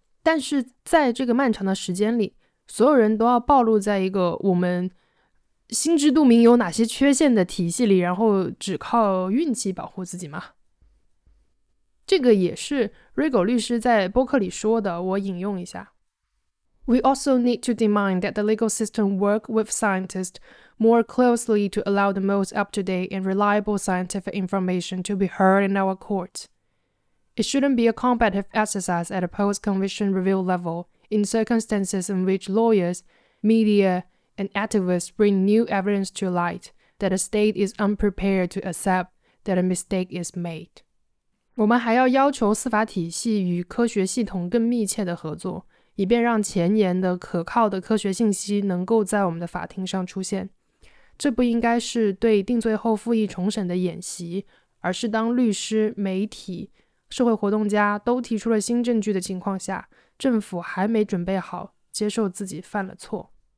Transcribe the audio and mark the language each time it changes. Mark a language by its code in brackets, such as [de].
[zh] 但是在这个漫长的时间里，所有人都要暴露在一个我们心知肚明有哪些缺陷的体系里，然后只靠运气保护自己吗？这个也是 Rigo 律师在播客里说的，我引用一下。 [en] We also need to demand that the legal system work with scientists more closely to allow the most up-to-date and reliable scientific information to be heard in our courts. It shouldn't be a competitive exercise at a post-conviction review level in circumstances in which lawyers, media, and activists bring new evidence to light that a state is unprepared to accept that a mistake is made. [zh] 我们还要要求司法体系与科学系统更密切的合作，以便让前沿的可靠的科学信息能够在我们的法庭上出现。这不应该是对定罪后复议重审的演习，而是当律师、媒体、社会活动家都提出了新证据的情况下，政府还没准备好接受自己犯了错。